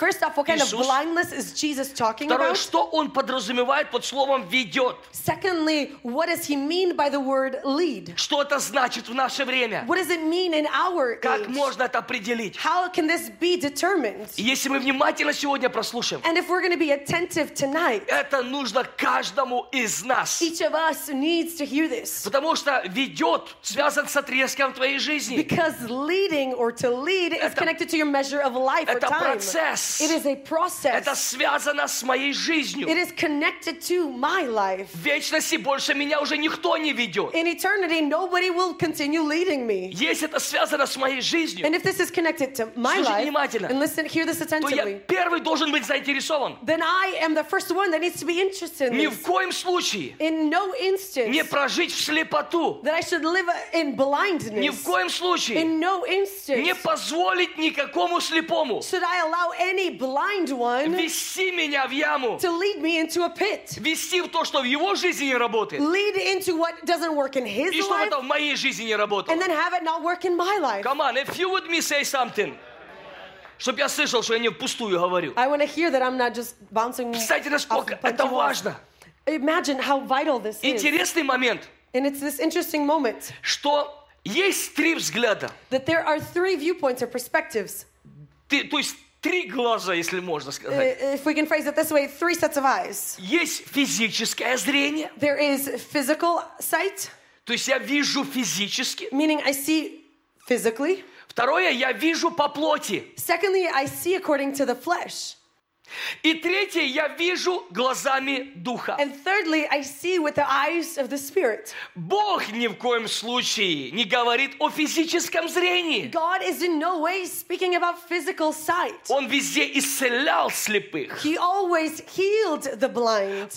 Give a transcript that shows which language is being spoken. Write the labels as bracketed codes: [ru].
[en] First off, what kind of blindness is Jesus talking [ru] Второе, [en] about? [ru] Второе, что он подразумевает под словом ведет? [en] Secondly, what does he mean by the word lead? [ru] Что это значит в наше время? [en] What does it mean in our age? [ru] Как можно это определить? [en] How can this be determined? [ru] Если мы внимательно сегодня прослушаем, [en] and if we're going to be attentive tonight, [ru] это нужно каждому из нас. [en] Each of us needs to hear this. [ru] Потому что ведет связан с отрезком твоей жизни. [en] Because leading or to lead is connected to your measure of life or time. [ru] Это процесс. [en] It is a process. [ru] Это связано с моей жизнью. [en] It is connected to my life. [ru] В вечности больше меня уже никто не ведет. [en] In eternity, nobody will continue leading me. [ru] Если это связано с моей жизнью, [en] and if this is connected to my life, and listen, hear this attentively, [ru] то я первый должен быть заинтересован. [en] Then I am the first one that needs to be interested in this. [ru] Ни в коем случае. [en] In no instance. [ru] Не прожить в слепоту. [en] That I should live in blindness. [ru] Ни в коем случае. [en] In no instance. [ru] Не позволить никакому слепому. [en] Should I allow any blind one [ru] вести меня в яму? [en] To lead me into a pit. [ru] Вести в то, что в его жизни не работает. [en] Lead into what doesn't work in his [ru] и [en] life, [ru] что в моей жизни не работало? [en] And then have it not work in my life. Come on, if you would me say something, [ru] чтобы я слышал, что я не впустую говорю. [en] I want to hear that I'm not just bouncing. [ru] Представьте, насколько это важно. [en] Imagine how vital this [ru] интересный [en] is. [ru] Интересный момент. [en] And it's this interesting moment. [ru] Что есть три взгляда. [en] That there are three viewpoints or perspectives. [ru] То есть три глаза, если можно сказать. [en] If we can phrase it this way, three sets of eyes. [ru] Есть физическое зрение. [en] There is physical sight. [ru] То есть я вижу физически. [en] Meaning I see physically. [ru] Второе, я вижу по плоти. [en] Secondly, I see according to the flesh. [ru] И третье, я вижу глазами Духа. [en] And thirdly, I see with the eyes of the Spirit. [ru] Бог ни в коем случае не говорит о физическом зрении. [en] God is in no way speaking about physical sight. [ru] Он везде исцелял слепых. [en] He always healed the blind.